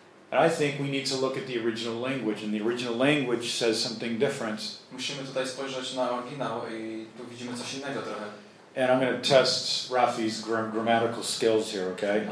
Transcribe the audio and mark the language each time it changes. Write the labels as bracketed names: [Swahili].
[English] And I think we need to look at the original language, and the original language says something different. [Polish] Musimy tutaj spojrzeć na oryginał i tu widzimy coś innego trochę. [English] And I'm going to test Rafi's grammatical skills here, okay?